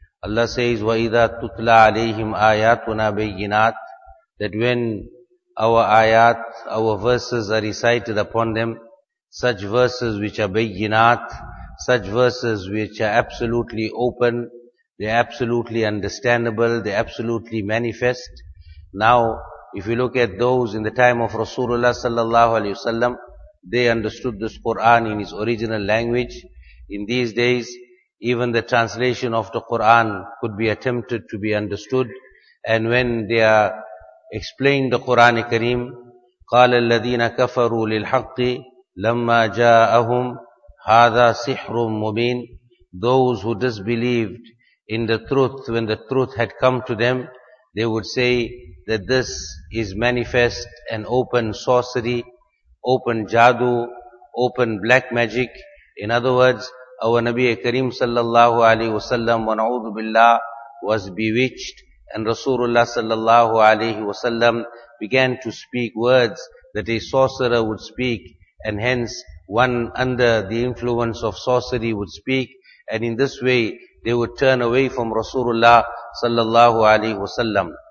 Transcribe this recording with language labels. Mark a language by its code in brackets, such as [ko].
[en] Allah says, [ar] وَإِذَا تُتْلَى عَلَيْهِمْ آيَاتُنَا بَيِّنَاتٍ, [en] that when our ayat, our verses are recited upon them, such verses which are bayyinat, such verses which are absolutely open, they're absolutely understandable, they're absolutely manifest. Now, if you look at those in the time of Rasulullah sallallahu alayhi wasallam, they understood this Quran in its original language. In these days, even the translation of the Quran could be attempted to be understood. And when they are explained the Quran Kareem, [ar] قَالَ الَّذِينَ كَفَرُوا لِلْحَقِّ لَمَّا جَاءَهُمْ هَذَا سِحْرٌ مُبِينٌ. [en] Those who disbelieved in the truth, when the truth had come to them, they would say that this is manifest and open sorcery, open jadu, open black magic. In other words, our Nabi Kareem sallallahu alayhi wa sallam wa na'udhu billah was bewitched, and Rasulullah sallallahu alayhi wa sallam began to speak words that a sorcerer would speak, and hence one under the influence of sorcery would speak, and in this way they would turn away from Rasulullah sallallahu alayhi wa sallam.